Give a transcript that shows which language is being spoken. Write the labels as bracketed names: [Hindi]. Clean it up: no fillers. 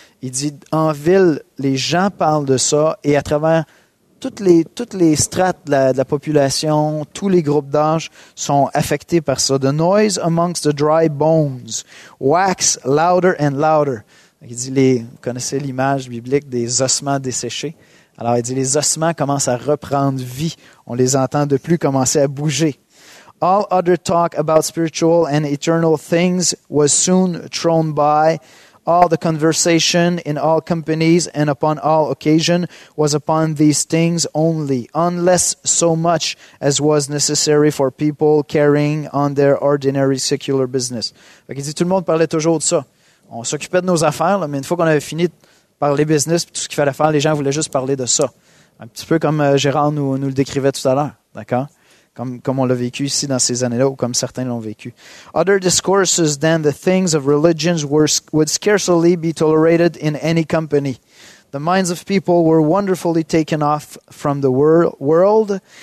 [French] Il dit, en ville, les gens parlent de ça, et à travers toutes les strates de la population, tous les groupes d'âge sont affectés par ça. « [English] The noise amongst the dry bones wax louder and louder. [French] » Il dit, vous connaissez l'image biblique des ossements desséchés. Alors, il dit, les ossements commencent à reprendre vie. On les entend de plus commencer à bouger. [English] All other talk about spiritual and eternal things was soon thrown by. All the conversation in all companies and upon all occasion was upon these things only, unless so much as was necessary for people carrying on their ordinary secular business. [French] Donc, il dit, tout le monde parlait toujours de ça. On s'occupait de nos affaires, là, mais une fois qu'on avait fini de parler business, tout ce qu'il fallait faire, les gens voulaient juste parler de ça. Un petit peu comme Gérard nous le décrivait tout à l'heure, d'accord? Comme on l'a vécu ici dans ces années-là, ou comme certains l'ont vécu. [English] Other discourses than the things of religions would scarcely be tolerated in any company. The minds of people were wonderfully taken off from the world.